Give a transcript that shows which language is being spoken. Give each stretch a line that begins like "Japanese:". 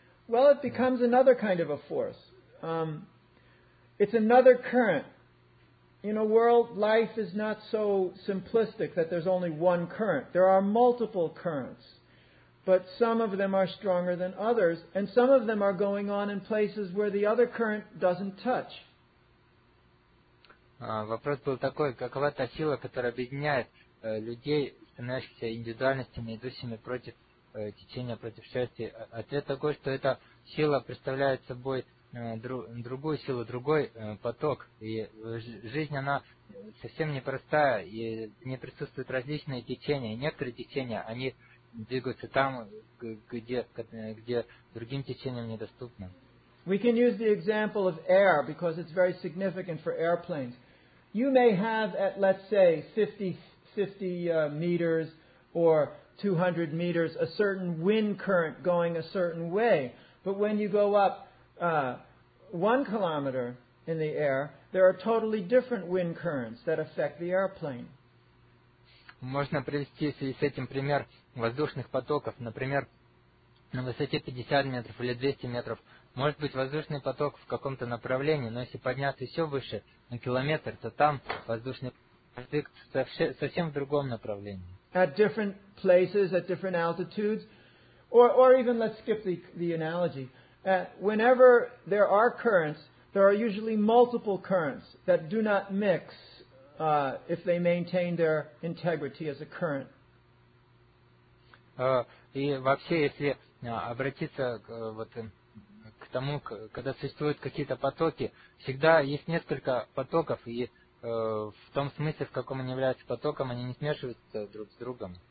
English: Well, it becomes another kind of a force. It's another current. In a world, life is not so simplistic that there's only one current. There are multiple currents, but some of them are stronger than others, and some of them are going on in places where the other current doesn't touch.
Russian: Вопрос был такой, какова та сила, которая объединяет людей, становящихся индивидуальностями, идущими против течения, против счастья? Ответ такой, что эта сила представляет собой другую силу, другой поток. И жизнь, она совсем непростая, и в ней присутствуют различные течения. И некоторые течения, они двигаются там, где другим течениям недоступны.
English: We can use the example of air, because it's very significant for airplanes. You may have at, let's say, 50 meters or 200 meters, a certain wind current going a certain way. But when you go up 1 kilometer in the air, there are totally different wind currents that affect the airplane.
Russian: Можно привести с этим пример воздушных потоков. Например, на высоте 50 метров или 200 метров может быть воздушный поток в каком-то направлении, но если подняться еще выше, на километр, то там воздушный поток совсем в другом направлении.
English: At different places, at different altitudes, or even let's skip the analogy. Whenever there are currents, there are usually multiple currents that do not mix if they maintain their integrity as a current.
Russian: И вообще, если обратиться к тому, когда существуют какие-то потоки, всегда есть несколько потоков, и в том смысле, в каком они являются потоком, они не смешиваются друг с другом.